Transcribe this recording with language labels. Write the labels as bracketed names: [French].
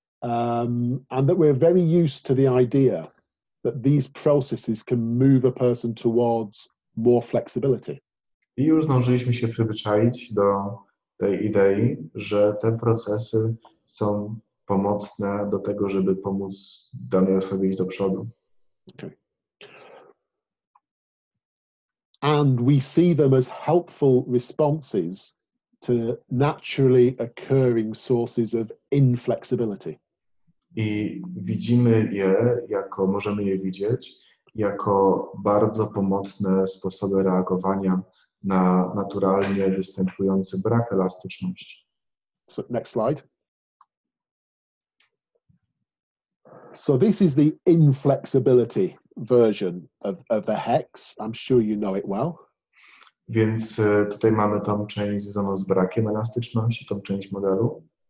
[English] And that we're very used to the idea that these processes can move a person towards more flexibility. [Polish] I już zdążyliśmy się przyzwyczaić do tej idei, że te procesy są pomocne do tego, żeby pomóc danej osobie iść do przodu. [English] Okay. And we see them as helpful responses to naturally occurring sources of inflexibility. [Polish] I widzimy je jako, możemy je widzieć, jako bardzo pomocne sposoby reagowania na naturalnie występujący brak elastyczności. [English] So, next slide. So this is the inflexibility version of the hex. I'm sure you know it well. [Polish] Więc tutaj mamy tą część związaną z brakiem elastyczności, tą część modelu.